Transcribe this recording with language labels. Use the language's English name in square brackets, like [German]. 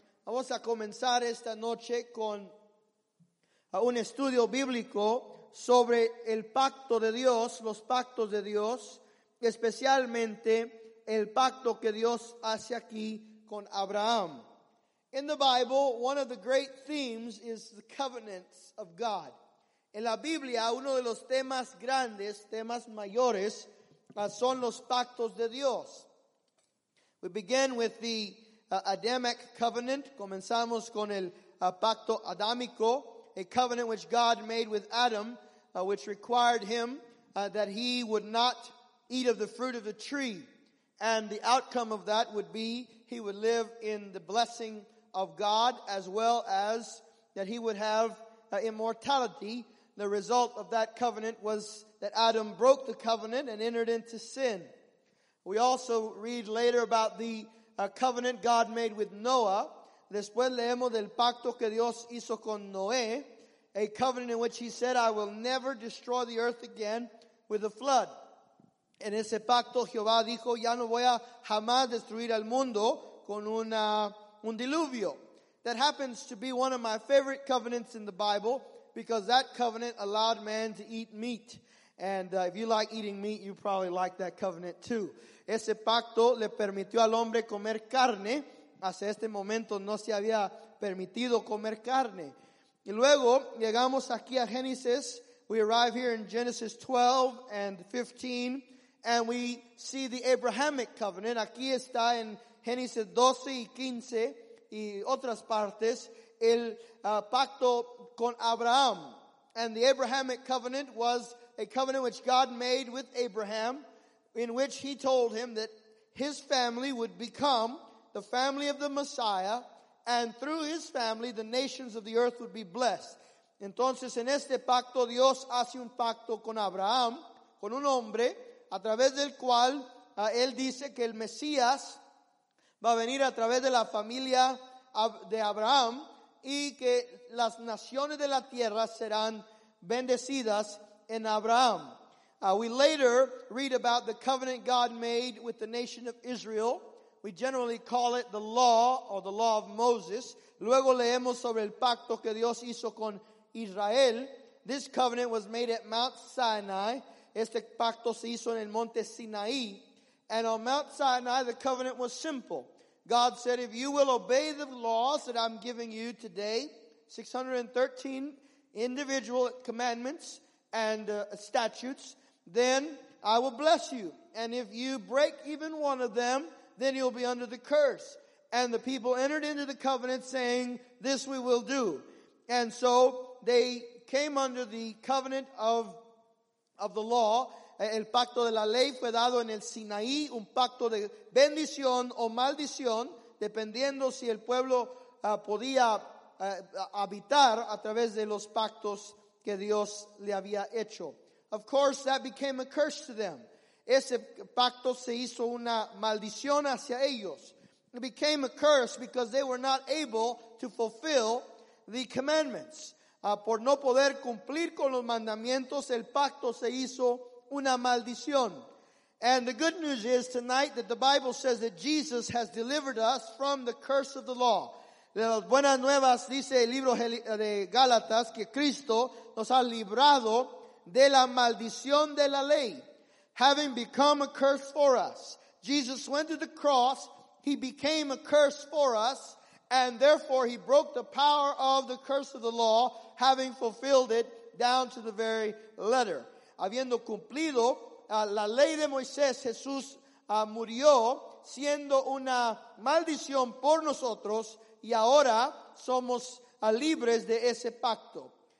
[Spanish] Vamos a comenzar esta noche con un estudio bíblico sobre el pacto de Dios, los pactos de Dios, especialmente el pacto que Dios hace aquí con Abraham. [English] In the Bible, one of the great themes is the covenants of God. [Spanish] En la Biblia, uno de los temas grandes, temas mayores, son los pactos de Dios. [English] We begin with the Adamic covenant. [Spanish] Comenzamos con el pacto adámico, [English] a covenant which God made with Adam, which required him that he would not eat of the fruit of the tree. And the outcome of that would be he would live in the blessing of God, as well as that he would have immortality. The result of that covenant was that Adam broke the covenant and entered into sin. We also read later about the covenant God made with Noah. [Spanish] Después leemos del pacto que Dios hizo con Noé, [English] a covenant in which he said, "I will never destroy the earth again with a flood." [Spanish] En ese pacto Jehová dijo, "Ya no voy a jamás destruir el mundo con un diluvio." [English] That happens to be one of my favorite covenants in the Bible, because that covenant allowed man to eat meat. And if you like eating meat, you probably like that covenant too. [Spanish] Ese pacto le permitió al hombre comer carne. Hasta este momento no se había permitido comer carne. Y luego llegamos aquí a Genesis. [English] We arrive here in Genesis 12 and 15. And we see the Abrahamic covenant. [Spanish] Aquí está en Génesis 12 y 15 y otras partes, el pacto con Abraham. [English] And the Abrahamic covenant was a covenant which God made with Abraham, in which he told him that his family would become the family of the Messiah, and through his family the nations of the earth would be blessed. [Spanish] Entonces, en este pacto, Dios hace un pacto con Abraham, con un hombre, a través del cual él dice que el Mesías va a venir a través de la familia de Abraham, y que las naciones de la tierra serán bendecidas en Abraham. [English] We later read about the covenant God made with the nation of Israel. We generally call it the law, or the law of Moses. [Spanish] Luego leemos sobre el pacto que Dios hizo con Israel. [English] This covenant was made at Mount Sinai. [Spanish] Este pacto se hizo en el monte Sinaí. [English] And on Mount Sinai, the covenant was simple. God said, if you will obey the laws that I'm giving you today, 613 individual commandments and statutes, then I will bless you. And if you break even one of them, then you'll be under the curse. And the people entered into the covenant saying, this we will do. And so they came under the covenant of the law. [Spanish] El pacto de la ley fue dado en el Sinaí, un pacto de bendición o maldición, dependiendo si el pueblo podía habitar a través de los pactos que Dios le había hecho. [English] Of course, that became a curse to them. [Spanish] Ese pacto se hizo una maldición hacia ellos. [English] It became a curse because they were not able to fulfill the commandments. [Spanish] Por no poder cumplir con los mandamientos, el pacto se hizo una maldición. [English] And the good news is tonight that the Bible says that Jesus has delivered us from the curse of the law. [Spanish] Las buenas nuevas dice el libro de Gálatas que Cristo nos ha librado de la maldición de la ley. [English] Having become a curse for us, Jesus went to the cross, he became a curse for us, and therefore he broke the power of the curse of the law, having fulfilled it down to the very letter. [Spanish] Habiendo cumplido la ley de Moisés, Jesús murió siendo una maldición por nosotros, y ahora somos libres de ese pacto.